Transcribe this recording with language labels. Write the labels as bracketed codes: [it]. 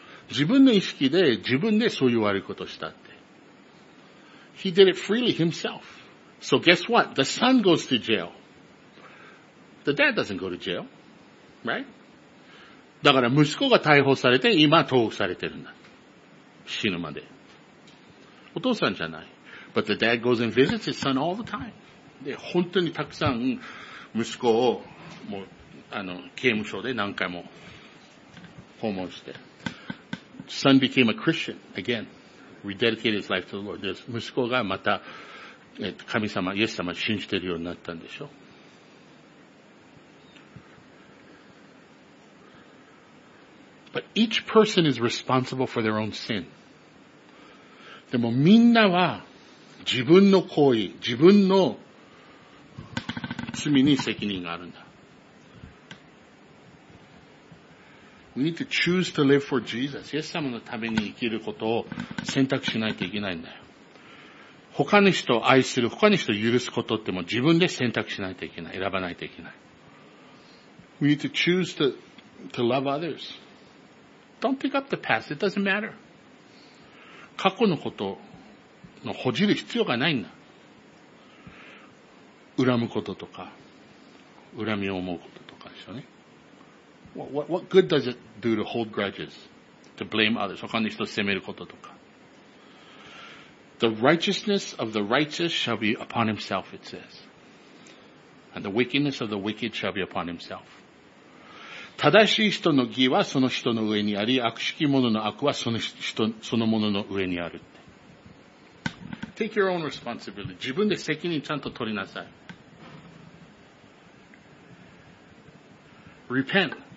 [ja] 自分の意識で、自分でそういう悪いことをしたって。 [en] He did it freely himself. So guess what? The son goes to jail. The dad doesn't go to jail. Right? [ja] だから息子が逮捕されて今投獄されてるんだ。死ぬまで。お父さんじゃない。 [en] But the dad goes and visits his son all the time. [ja] で、本当にたくさん息子をもう、あの、刑務所で何回も訪問して。 [en] Son became a Christian again. Rededicated his life to the Lord. [ja] で、息子がまた、神様、イエス様を信じてるようになったんでしょ。 [en] But each person is responsible for their own sin. [ja] でもみんなは自分の行為、自分の罪に責任があるんだ。 [en] We need to choose to live for Jesus. [ja] イエス様のために生きることを選択しないといけないんだよ。他の人を愛する、他の人を許すことっても自分で選択しないといけない、選ばないといけない。 [en] We need to choose to love others. Don't pick up the past. It doesn't matter. [ja] 過去のことのほじる必要がないんだ。恨むこととか、恨みを思うこととかでしょうね。 [en] What good does it do to hold grudges? To blame others? [ja] 他の人を責めることとか。 [en] The righteousness of the righteous shall be upon himself, it says. And the wickedness of the wicked shall be upon himself. [ja] 正しい人の義はその人の上にあり、悪しき者の悪はその人、そのものの上にあるって。 [en] Take your own responsibility. [ja] 自分で責任ちゃんと取りなさい。 [en] Repent.